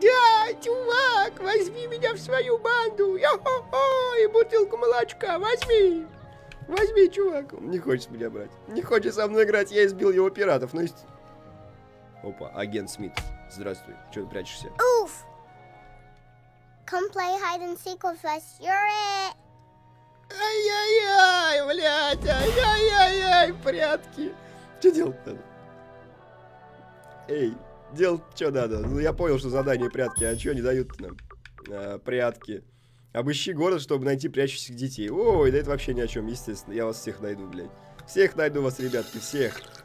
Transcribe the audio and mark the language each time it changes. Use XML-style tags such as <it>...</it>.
<ru>Да, чувак, возьми меня в свою банду. Йо-хо-хо, и бутылку молочка, возьми. Возьми, чувак. Он не хочет меня брать. Не хочет со мной играть, я избил его пиратов. Ну есть... Опа, агент Смит. Здравствуй, чего ты прячешься? Уф.</ru> <en>Come play hide and seek with us, you're it.</en> <ru>Ай-яй-яй, блядь, ай-яй-яй-яй, прятки. Что делать-то? Эй, делать что надо? Ну, я понял, что задание прятки, а что они дают-то нам? Прятки. Обыщи город, чтобы найти прячущихся детей. Ой, да это вообще ни о чем, естественно. Я вас всех найду, блядь. Всех найду вас, ребятки, всех.</ru>